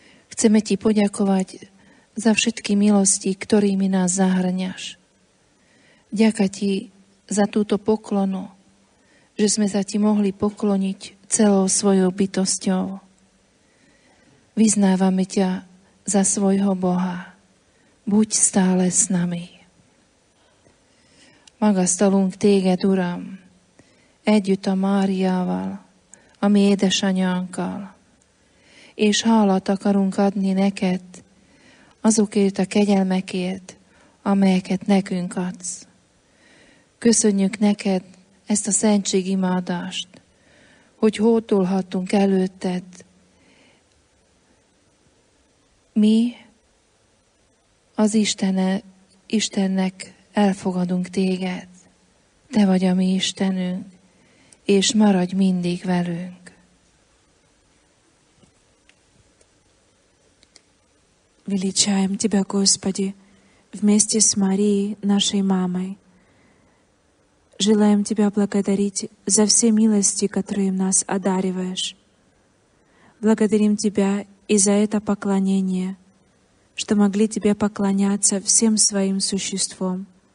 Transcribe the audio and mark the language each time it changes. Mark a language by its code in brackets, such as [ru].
[sk] Chceme ti poďakovať za všetky milosti, ktorými nás zahŕňaš. Ďaká ti za túto poklonu, že sme sa ti mohli pokloniť celou svojou bytosťou. Vyznávame ťa za svojho Boha. Buď stále s nami. [hu] Magasztalunk téged, Uram. Együtt a Máriával. A mi édesanyánkkal. És hálát akarunk adni neked azokért a kegyelmekért, amelyeket nekünk adsz. Köszönjük neked ezt a szentségimádást, hogy hódolhatunk előtted. Mi az Istennek elfogadunk téged. Te vagy a mi Istenünk, és maradj mindig velünk. [ru] Величаем Тебя, Господи, вместе с Марией, нашей мамой. Желаем Тебя благодарить за все милости, которые нас одариваешь. Благодарим Тебя и за это поклонение, что могли Тебе поклоняться всем своим существом.